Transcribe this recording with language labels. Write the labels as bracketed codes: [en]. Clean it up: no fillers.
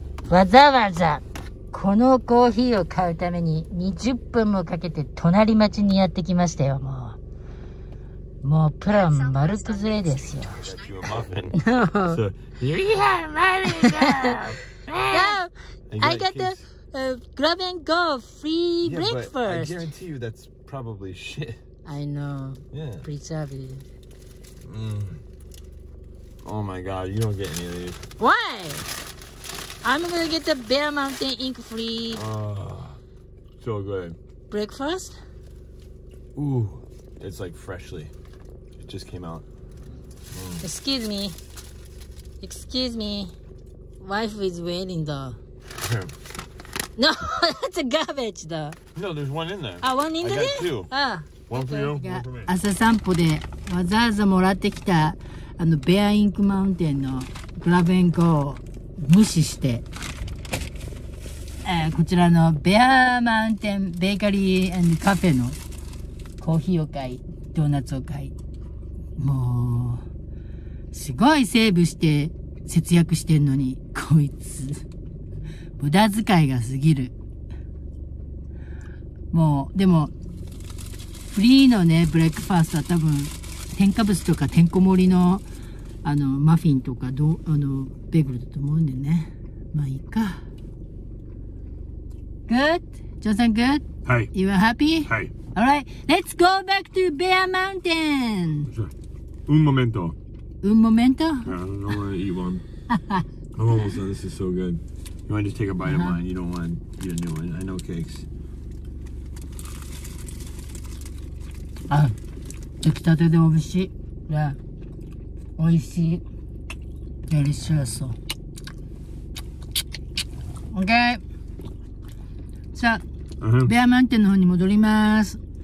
[ja] わざわざこのコーヒーを買うために20分もかけて隣町にやってきましたよ。もうプラン丸崩れですよ。 [en] No. Yeah, money. No, I got the grab and go free breakfast. Yeah, but I guarantee you that's probably shit. I know. Yeah. Preserved. Oh my god, you don't get any of these. Why? I'm gonna get the Bear Mountain Ink free. So good. Breakfast? Ooh, it's like freshly. It just came out. Excuse me. Excuse me. Wife is waiting though. No, that's a garbage though. No, there's one in there. Ah, one in there? I got two. One for you, one for me. [ja] 朝散歩でわざわざもらってきたあの Bear Ink Mountain の Grab and Go。無視して、こちらのベアーマウンテンベーカリー&カフェのコーヒーを買い、ドーナツを買い、もうすごいセーブして節約してんのにこいつ無駄遣いが過ぎる。もうでもフリーのねブレックファーストは多分添加物とかてんこ盛りのあのマフィンとかどあのベーグルだと思うんでね。まあいいか。 [en] Good, Johnson. Good. Hi. You are happy. Hi. All right. Let's go back to Bear Mountain. [es] Un momento. Un momento. [en] I don't want to eat one. I'm almost done. This is so good. You want to just take a bite of mine? You don't want to eat a new one. I know cakes. [ja] Ah, 出来たてで美味しい。 [en] Yeah. [ja] 美味しい。 [en] Delicious. Okay. [ja] さあ、ベアマウンテンの方に戻ります。